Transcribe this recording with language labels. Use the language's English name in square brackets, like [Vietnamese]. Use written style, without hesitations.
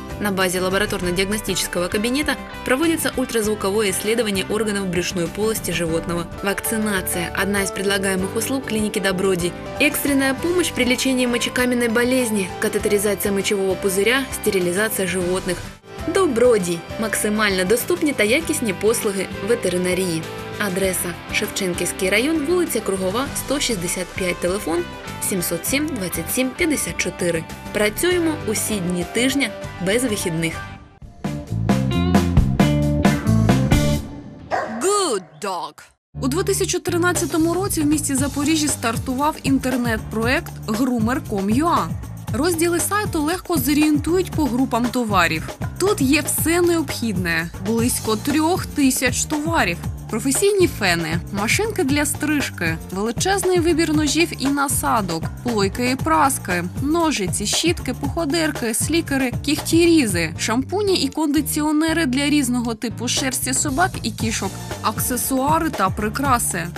[Russian] На базе лабораторно-диагностического кабинета проводится ультразвуковое исследование органов брюшной полости животного. Вакцинация – одна из предлагаемых услуг клиники Доброди. Экстренная помощь при лечении мочекаменной болезни, катетеризация мочевого пузыря, стерилизация животных. [Ukrainian] Доброди – максимально доступны та якісні послуги ветеринарии. Адреса – Шевченківський район, вулиця Кругова, 165, телефон 707-2754. Працюємо усі дні тижня без вихідних. Gooddog. У 2013 році в місті Запоріжжі стартував інтернет-проект «Groomer.com.ua». Розділи сайту легко зорієнтують по групам товарів. Тут є все необхідне – близько 3000 товарів. Професійні фени, машинки для стрижки, величезний вибір ножів і насадок, плойки і праски, ножиці, щітки, походерки, слікери, кігтірізи, шампуні і кондиціонери для різного типу шерсті собак і кішок, аксесуари та прикраси.